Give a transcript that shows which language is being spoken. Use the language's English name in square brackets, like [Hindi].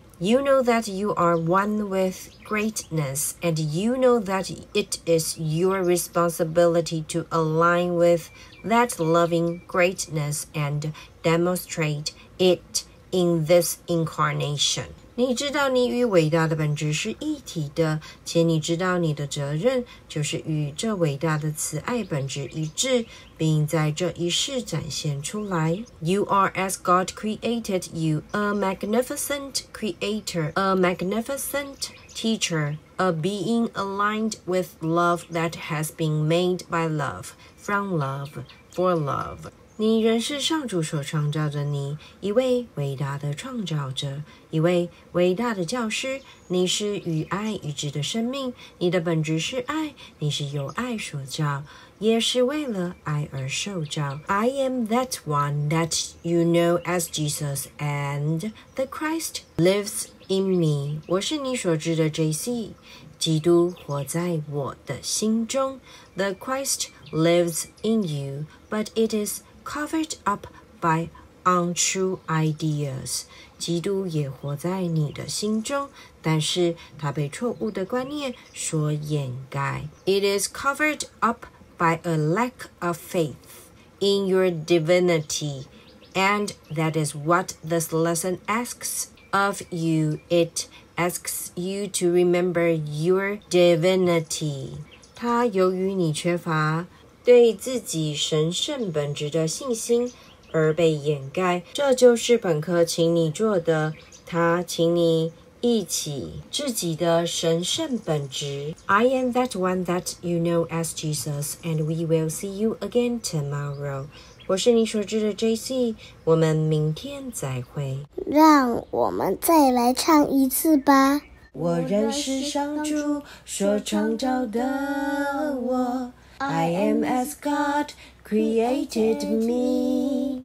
[English] You know that you are one with greatness, and you know that it is your responsibility to align with that loving greatness and demonstrate it in this incarnation. [Chinese] 你知道你与伟大的本质是一体的，且你知道你的责任就是与这伟大的慈爱本质一致，并在这一世展现出来。 [English] You are as God created you, a magnificent creator, a magnificent teacher, a being aligned with love that has been made by love, from love, for love. [Chinese] 你仍是上主所创造的你，一位伟大的创造者，一位伟大的教师。你是与爱一致的生命，你的本质是爱，你是由爱所造，也是为了爱而受造。 [English] I am that one that you know as Jesus, and the Christ lives in me. [Chinese] 我是你所知的 JC, 基督活在我的心中。 [English] The Christ lives in you, but it is... Covered up by untrue ideas. [Chinese] 基督也活在你的心中，但是他被错误的观念所掩盖。 [English] It is covered up by a lack of faith in your divinity. And that is what this lesson asks of you. It asks you to remember your divinity. [Chinese] 他由于你缺乏对自己神圣本质的信心而被掩盖，这就是本课请你做的。他请你忆起自己的神圣本质。 [English] I am that one that you know as Jesus, and we will see you again tomorrow. [Chinese] 我是你所知的 JC， 我们明天再会。让我们再来唱一次吧。我仍是上主所创造的我。 [English] I am as God created me。